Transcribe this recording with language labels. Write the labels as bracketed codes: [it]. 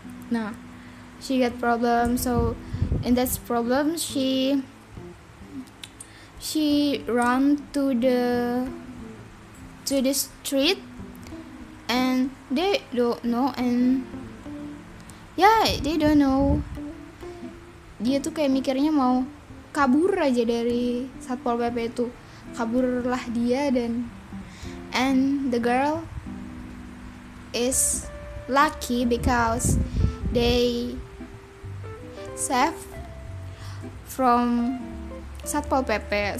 [en] Nah, she got problem, so in that problem she run to the street and they don't know, and yeah, they don't know. [id] Dia tuh kayak mikirnya mau kabur aja dari Satpol PP itu. Kaburlah dia, [en] and the girl is lucky because they save from Satpol PP.